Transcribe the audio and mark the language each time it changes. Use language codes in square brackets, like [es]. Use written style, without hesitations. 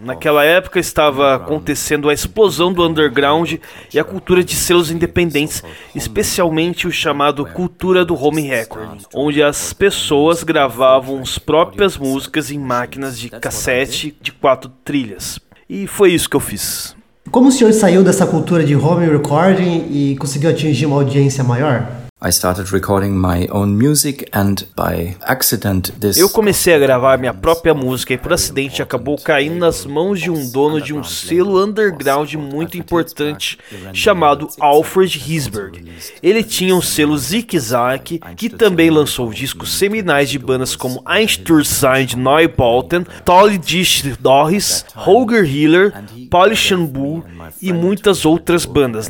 [pt] Naquela época estava acontecendo a explosão do underground e a cultura de selos independentes, especialmente o chamado cultura do home recording, onde as pessoas gravavam as próprias músicas em máquinas de cassete de 4 trilhas. E foi isso que eu fiz. Como o senhor saiu dessa cultura de home recording e conseguiu atingir uma audiência maior? [en] I started recording my own music and by accident this. [pt] Eu comecei a gravar minha própria música e por acidente acabou caindo nas mãos de um dono de um selo underground muito importante chamado Alfred Hisberg. Ele tinha um selo Zig Zag, que também lançou discos seminais de bandas como Einstürzend, Neubauten, Tolle Dichter Doris, Holger Hiller, Polish and Bull e muitas outras bandas.